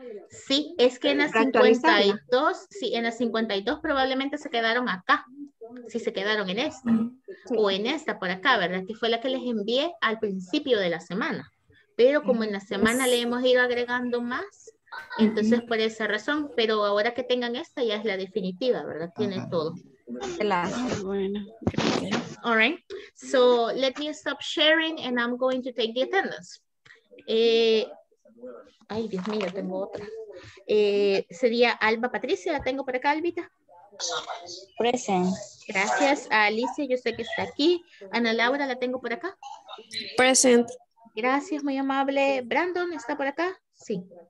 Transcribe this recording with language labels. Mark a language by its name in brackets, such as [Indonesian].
[Spanish] Sí, es que en las 52, sí, en las 52 probablemente se quedaron acá, si se quedaron en esta, sí. O en esta por acá, ¿verdad? Que fue la que les envié al principio de la semana, pero como en la semana sí. Le hemos ido agregando más, entonces por esa razón, pero ahora que tengan esta ya es la definitiva, ¿verdad? Tiene todo. Bueno, [English] all right, so let me stop sharing and I'm going to take the attendance. [Spanish] Ay, Dios mío, tengo otra. Sería Alba Patricia, la tengo por acá, Albita. [English] Present. [Spanish] Gracias a Alicia, yo sé que está aquí. Ana Laura, la tengo por acá. [English] Present. [Spanish] Gracias, muy amable. Brandon, ¿está por acá? Sí.